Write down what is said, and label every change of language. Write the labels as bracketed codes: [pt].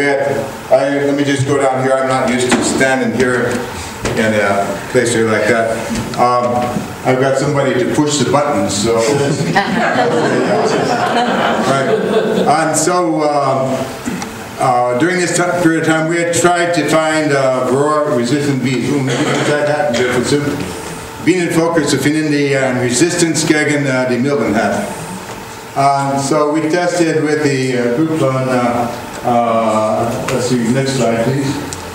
[en] Let me just go down here. I'm not used to standing here in a place here like that. I've got somebody to push the buttons, so. Right. And so, during this period of time, we had tried to find Varroa resistant bees. Whom that happened to consume? [de] Bienenvölker zu finden, die Resistance gegen die Milben hat. [en] So we tested with the group on, let's see, next slide please.